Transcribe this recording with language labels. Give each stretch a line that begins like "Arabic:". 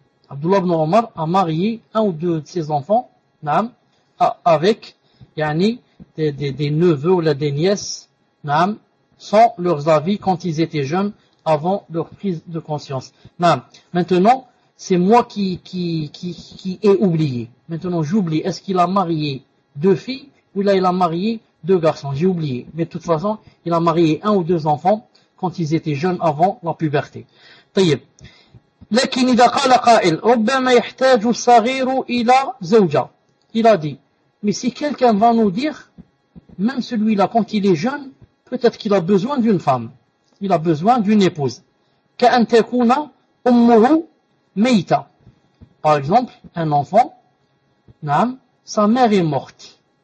French: Abdullah ibn Omar a marié un ou deux de ses enfants, naam, avec, yani, des neveux ou des nièces, naam, sans leurs avis quand ils étaient jeunes avant leur prise de conscience. Naam. Maintenant, c'est moi qui ai oublié. Maintenant, j'oublie. Est-ce qu'il a marié deux filles, ou là il a marié deux garçons, j'ai oublié. Mais de toute façon, il a marié un ou deux enfants quand ils étaient jeunes avant la puberté.
Arabic: طيب. لكن إذا قال قائل ربما يحتاج الصغير إلى زوجة.
French: Il a dit, mais si quelqu'un va nous dire, même celui-là quand il est jeune, peut-être qu'il a besoin d'une femme. Il a besoin d'une épouse.
Arabic: كأن تكون أمه ميتة.
French: Par exemple, un enfant, نعم, Sa mère est morte.